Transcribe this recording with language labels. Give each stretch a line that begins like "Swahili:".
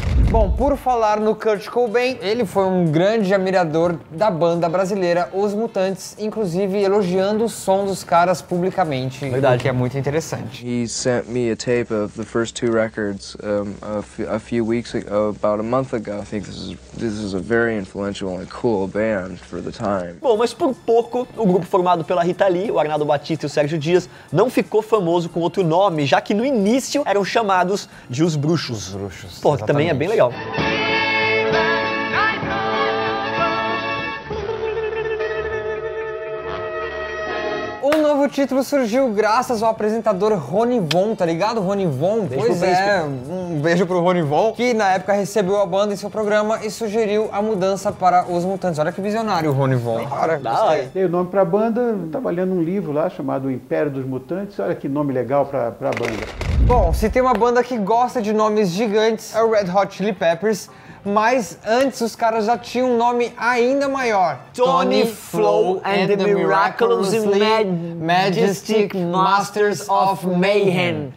Portuguese: Bom, por falar no Kurt Cobain, ele foi um grande admirador da banda brasileira Os Mutantes, inclusive elogiando o som dos caras publicamente. Verdade. O que é muito interessante.
English: He sent me a tape of the first two records about a month ago. I think this is a very influential and cool band for the time.
Portuguese: Bom, mas por pouco, o grupo formado pela Rita Lee, o Arnaldo Batista e o Sérgio Dias não ficou famoso com outro nome, já que no início eram chamados de Os Bruxos. Os Bruxos. Pô, também é bem legal. Um novo título surgiu graças ao apresentador Ronnie Von, tá ligado, Ronnie Von? Beijo, pois beijo. É, um beijo pro Ronnie Von, que na época recebeu a banda em seu programa e sugeriu a mudança para Os Mutantes. Olha que visionário o Ronnie Von. Cara, dei o nome pra banda, tava lendo um livro lá chamado O Império dos Mutantes, olha que nome legal pra banda. Bom, se tem uma banda que gosta de nomes gigantes, é o Red Hot Chili Peppers, mas antes os caras já tinham um nome ainda maior.
English: Tony Flo and the Miraculously Majestic Masters of Mayhem.